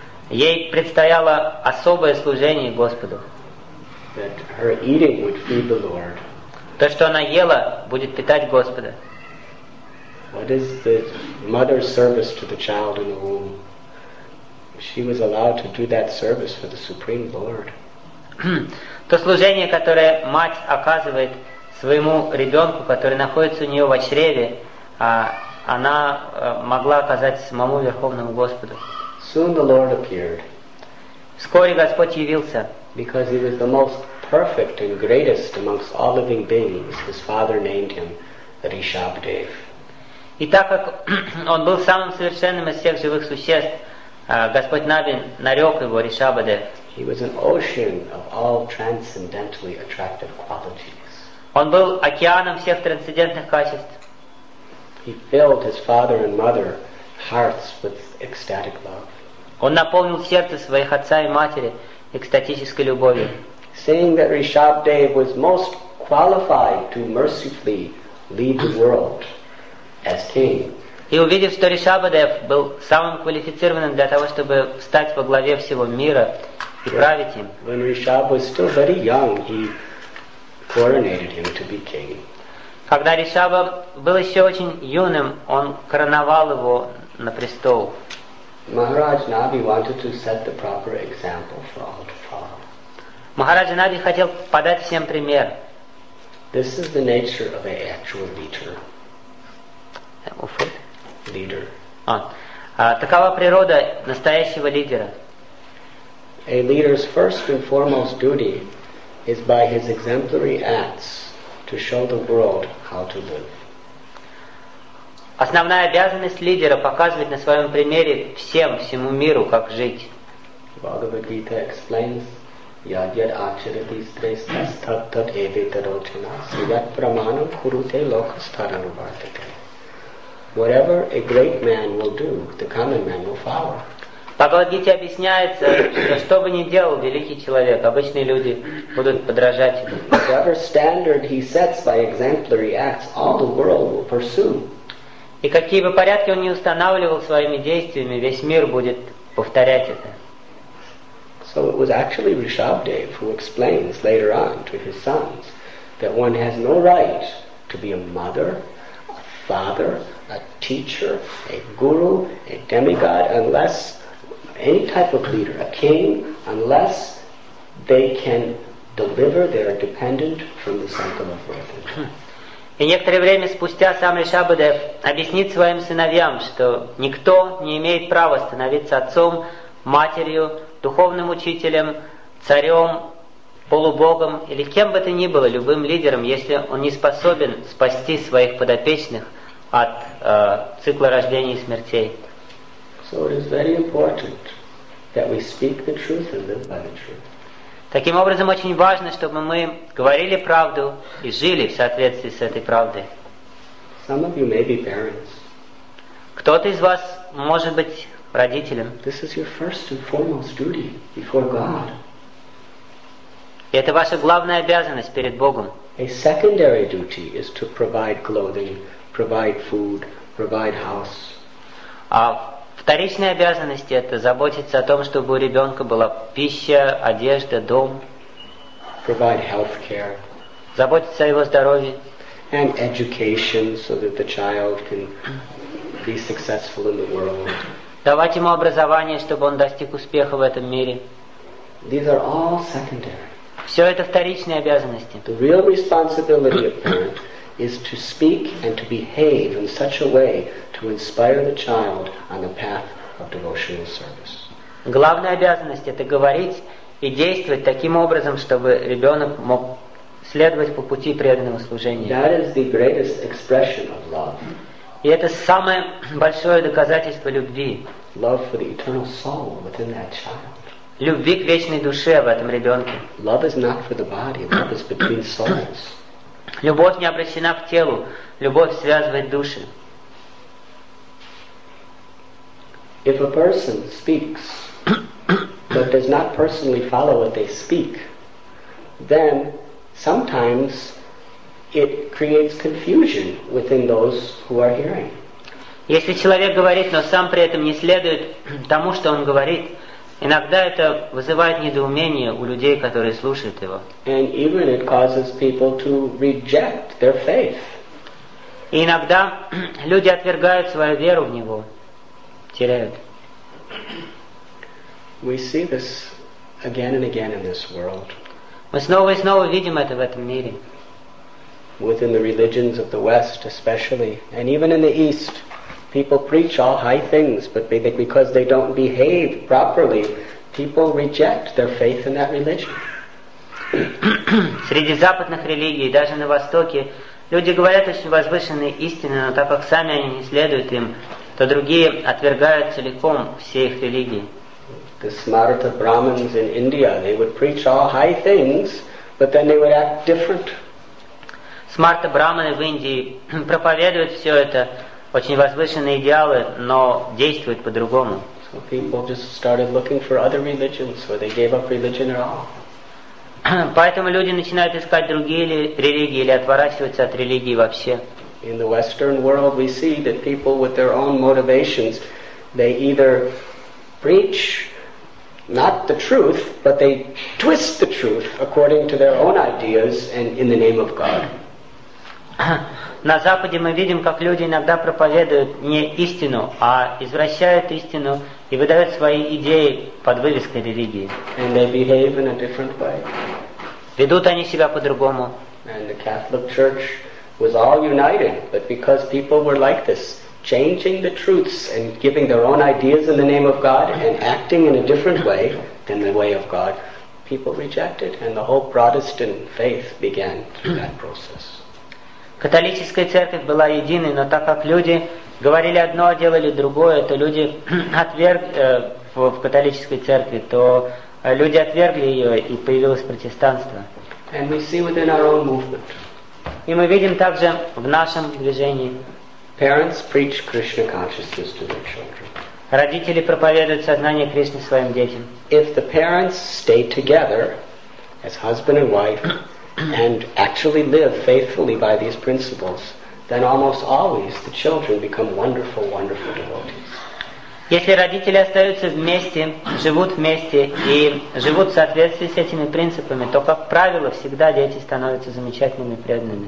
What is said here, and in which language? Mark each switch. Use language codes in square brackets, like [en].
[ru] Ей предстояло особое служение Господу. [en] That her eating would feed the Lord. [ru] То, что она ела, будет питать Господа. [en] What is the mother's service to the child in the womb? She was allowed to do that service for the Supreme Lord. [ru] То служение, которое мать оказывает своему ребенку, который находится у нее во чреве, она могла оказать самому Верховному Господу. [en] Soon the Lord appeared. [ru] Вскоре Господь явился. [en] Because he was the most perfect and greatest amongst all living beings, his father named him Rishabhdev. [ru] И так как он был самым совершенным из всех живых существ, Господь Навин нарек его Ришабхадев. [en] He was an ocean of all transcendentally attractive qualities. [ru] Он был океаном всех трансцендентных качеств. [en] He filled his father and mother hearts with ecstatic love. [ru] Он наполнил сердце своих отца и матери экстатической любовью. [en] Saying that Rishabhdev was most qualified to mercifully lead the world as king. [ru] И увидев, что Ришабхадев был самым квалифицированным для того, чтобы встать во главе всего мира и править им. [en] When Rishabh was still very young, he coronated him to be king. [ru] Когда Ришабха был еще очень юным, он короновал его на престол. [en] Maharaj Nabi wanted to set the proper example for all to follow. [ru] Maharaja Nabi хотел подать всем пример. [en] This is the nature of an actual leader. Leader. [ru] Такова природа настоящего лидера. [en] A leader's first and foremost duty is by his exemplary acts to show the world how to live. [ru] Основная обязанность лидера – показывать на своем примере всем, всему миру, как жить. [sa] Бхагавад-гита [en] explains, [sa] «Ядьяд ачарати стрейстас таттат эвитарочана, сидят праману курутэ локастарану вартате». [en] Whatever a great man will do, the common man will follow. [ru] Бхагавад-гите объясняется, что бы ни делал великий человек, обычные люди будут подражать ему. [en] Whatever standard he sets by exemplary acts, all the world will pursue. [ru] И какие бы порядки он ни устанавливал своими действиями, весь мир будет повторять это. [en] So it was actually Rishabhdev who explains later on to his sons that one has no right to be a mother, a father, a teacher, a guru, a demigod, unless any type of leader, a king, unless they can deliver their dependent from the cycle of birth. [ru] И некоторое время спустя сам Ришабхадев объяснит своим сыновьям, что никто не имеет права становиться отцом, матерью, духовным учителем, царем, полубогом или кем бы то ни было, любым лидером, если он не способен спасти своих подопечных от цикла рождения и смертей. [en] So it is very important that we speak the truth and live by the truth. [ru] Таким образом, очень важно, чтобы мы говорили правду и жили в соответствии с этой правдой. [en] Some of you may be parents. [ru] Кто-то из вас может быть родителем. [en] This is your first and foremost duty before God. [ru] И это ваша главная обязанность перед Богом. [en] A secondary duty is to provide clothing, provide food, provide house. [ru] Вторичной обязанностью это заботиться о том, чтобы у ребенка была пища, одежда, дом. [en] Provide health care. [ru] Заботиться о его здоровье. [en] And education, so that the child can be successful in the world. [ru] Давать ему образование, чтобы он достиг успеха в этом мире. [en] These are all secondary. [ru] Все это вторичные обязанности. [en] The real responsibility of parent is to speak and to behave in such a way to inspire the child on the path of devotional service. [ru] Главная обязанность это говорить и действовать таким образом, чтобы ребенок мог следовать по пути преданного служения. [en] That is the greatest expression of love. [ru] И это самое большое доказательство любви. [en] Love for the eternal soul within that child. [ru] Любви к вечной душе в этом ребенке. [en] Love is not for the body, love is between souls. [ru] Любовь не обращена к телу, любовь связывает души. [en] If a person speaks, but does not personally follow what they speak, then sometimes it creates confusion within those who are hearing. [ru] Если человек говорит, но сам при этом не следует тому, что он говорит, иногда это вызывает недоумение у людей, которые слушают его. [en] And even it causes people to reject their faith. [ru] И иногда люди отвергают свою веру в него, теряют. [en] We see this again and again in this world. [ru] Мы снова и снова видим это в этом мире. [en] Within the religions of the West, especially, and even in the East. People preach all high things, but because they don't behave properly, people reject their faith in that religion. [ru] Среди западных религий, даже на Востоке, люди говорят очень возвышенные истины, но так как сами они не следуют им, то другие отвергают целиком все их религии. [en] The smarta brahmins in India, they would preach all high things, but then they would act different. [ru] Смарта брахманы в Индии проповедуют все это. Очень возвышенные идеалы, но действуют по-другому. [en] So people just started looking for other religions, or they gave up religion at all. [ru] Поэтому люди начинают искать другие религии или отворачиваются от религии вообще. [en] In the Western world, we see that people with their own motivations, they either preach not the truth, but they twist the truth according to their own ideas and in the name of God. [ru] На Западе мы видим, как люди иногда проповедуют не истину, а извращают истину и выдают свои идеи под вывеской религии. [en] And they behave in a different way. [ru] Ведут они себя по-другому. [en] And the Catholic Church was all united, but because people were like this, changing the truths and giving their own ideas in the name of God and acting in a different way than the way of God, people rejected, and the whole Protestant faith began through that process. [ru] Католическая церковь была единой, но так как люди говорили одно, а делали другое, то люди отвергли в католической церкви, то люди отвергли ее, и появилось протестантство. [en] And we see within our own movement. [ru] И мы видим также в нашем движении. [en] Parents preach Krishna consciousness to their children. [ru] Родители проповедуют сознание Кришны своим детям. [en] If the parents stay together as husband and wife, and actually live faithfully by these principles, then almost always the children become wonderful, wonderful devotees. [ru] Если родители остаются вместе и живут в соответствии с этими принципами, то как правило всегда дети становятся замечательными преданными.